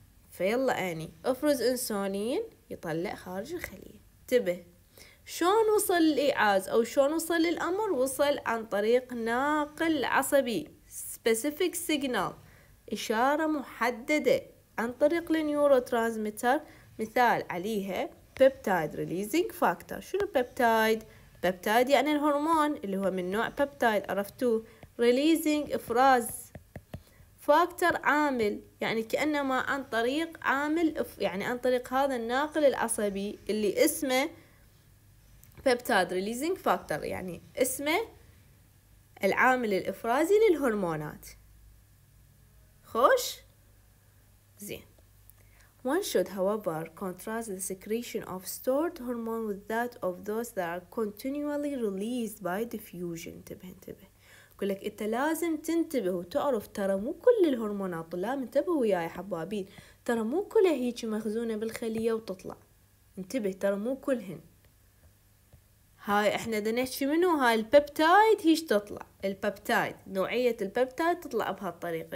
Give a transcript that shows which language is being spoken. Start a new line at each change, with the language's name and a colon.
Arabic: فيلا اني افرز انسولين يطلع خارج الخلية. انتبه شلون وصل الإعاز او شلون وصل الامر؟ وصل عن طريق ناقل عصبي
English: specific signal،
Arabic: اشارة محددة عن طريق النيورو ترانسميتر. مثال عليها
English: peptide releasing factor.
Arabic: شنو peptide؟ peptide يعني الهرمون اللي هو من نوع peptide، عرفتوه؟ releasing افراز، فاكتر عامل، يعني كأنما عن طريق عامل، يعني عن طريق هذا الناقل العصبي اللي اسمه
English: peptide releasing factor،
Arabic: يعني اسمه العامل الإفرازي للهرمونات. خوش؟ زين.
English: One should however contrast the secretion of stored hormone with that of those that are continually released by diffusion.
Arabic: انتبه انتبه، يقول لك انت لازم تنتبه وتعرف ترى مو كل الهرمونات، لا انتبهوا يا حبابين، ترى مو كلها هيك مخزونه بالخليه وتطلع. انتبه ترى مو كلهن. هاي احنا دنيتش منو هاي البيبتايد هيش تطلع، البيبتايد نوعيه البيبتايد تطلع بهالطريقه.